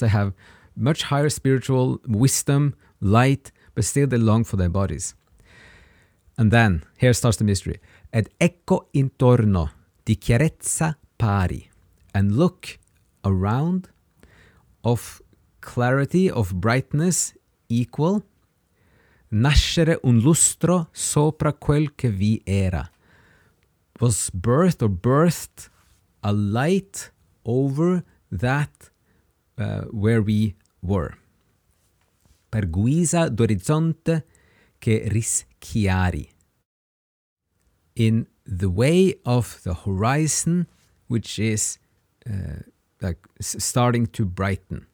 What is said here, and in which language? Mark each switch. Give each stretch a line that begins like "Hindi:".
English: They have much higher spiritual wisdom, light, but still they long for their bodies. And then, here starts the mystery.
Italian: Ed ecco intorno di chiarezza pari.
English: And look around of clarity, of brightness equal.
Italian: Nascere un lustro sopra quel che vi era.
English: Was birthed or birthed a light over that where we were.
Italian: Per guisa d'orizzonte che rischiari.
English: In the way of the horizon, which is starting to brighten.